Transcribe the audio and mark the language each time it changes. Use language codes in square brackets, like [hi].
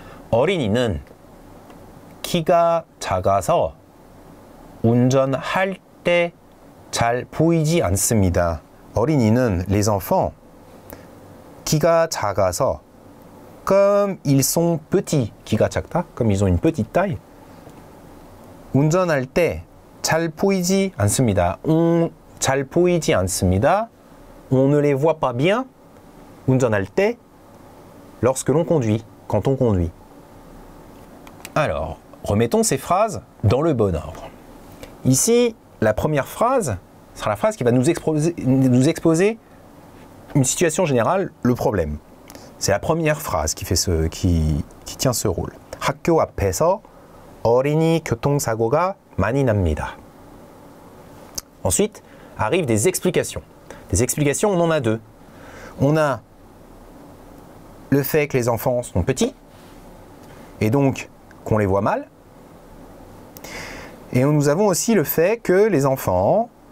[ko] 어린이는 키가 작아서 운전할 때 잘 보이지 않습니다. 어린이는, [fr] les enfants, [ko] 키가 작아서, [fr] comme ils sont petits, [ko] 키가 작다, [fr] comme ils ont une petite taille, [ko] 운전할 때 잘 보이지 않습니다. 잘 보이지 않습니다. [fr] On ne les voit pas bien. [ko] 운전할 때, [fr] lorsque l'on conduit, quand on conduit. Alors, remettons ces phrases dans le bon ordre. Ici, la première phrase sera la phrase qui va nous exposer une situation générale, le problème. C'est la première phrase qui tient ce rôle. [ko] 학교 앞에서 어린이 교통사고가 많이 납니다. [fr] Ensuite, arrivent des explications. Des explications, on en a deux. On a le fait que les enfants sont petits et donc qu'on les voit mal. Et nous avons aussi le fait que les enfants